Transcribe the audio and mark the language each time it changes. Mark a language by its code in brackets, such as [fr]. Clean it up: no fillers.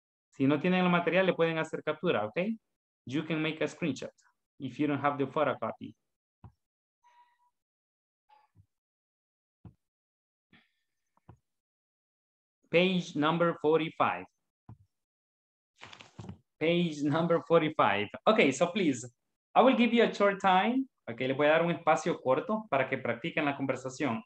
[es] Si no tienen el material, le pueden hacer captura, okay? [en] You can make a screenshot if you don't have the photocopy. Page number 45. Page number 45. Okay, so please, I will give you a short time. [es] Okay, le voy a dar un espacio corto para que practiquen la conversación.